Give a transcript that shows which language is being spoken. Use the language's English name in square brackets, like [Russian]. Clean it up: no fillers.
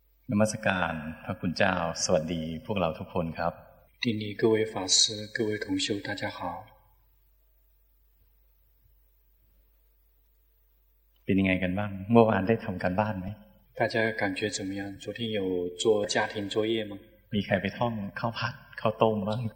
[Thai] นมัสการพระคุณเจ้าสวัสดีพวกเราทุกคนครับ ที่นี่ [Chinese] 各位法师各位同修大家好 [Thai] เป็นยังไงกันบ้างเมื่อวานได้ทำการบ้านไหม [Chinese] 大家感觉怎么样昨天有做家庭作业吗 [Thai] มีใครไปท่องข้าวผัดข้าวต้มบ้าง